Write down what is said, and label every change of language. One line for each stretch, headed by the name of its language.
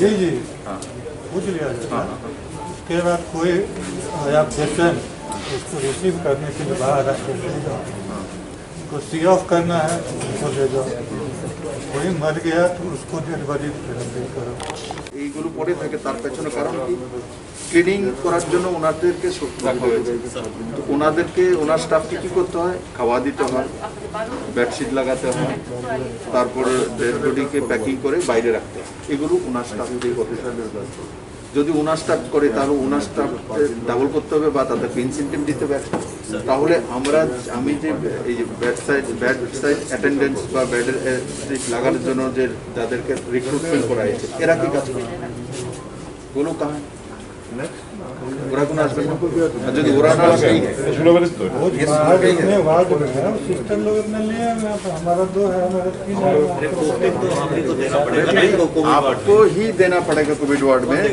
Hindi: जी जी पूछ लिया जाता है। उसके बाद कोई आया पेशेंट उसको रिसीव करने के लिए बाहर आके दे जाओ, उसको सी ऑफ करना है उसको दे जाओ, कोई मर गया तो उसको डिलीवरी करो।
Bangla: এইগুলো পরে থাকে, তার পেছনে কারণ কি? ট্রেনিং করার জন্য ওনাদেরকে সুযোগ, ওনাদেরকে ওনার স্টাফকে কি করতে হয়, খাওয়া দিতে হয়, বেডশিট লাগাতে হয়, তারপরে ডেড বডিকে প্যাকিং করে বাইরে রাখতে হয়। এগুলো ওনার স্টাফদের অফিসারদের দায়িত্ব। যদি ওনার স্টাফ করে তাহলে ওনার স্টাফ ডাবল করতে হবে বা তাদেরকে ইনসেন্টিভ দিতে হবে। তাহলে আমরা আমি যে এই যে বেডসাইড অ্যাটেন্ডেন্স বা বেড লাগানোর জন্য যে যাদেরকে রিক্রুটমেন্ট করা হয়েছে এরা কি কাজ করে?
Hindi: বলো কাহ आपको ही देना पड़ेगा कोविड वार्ड में।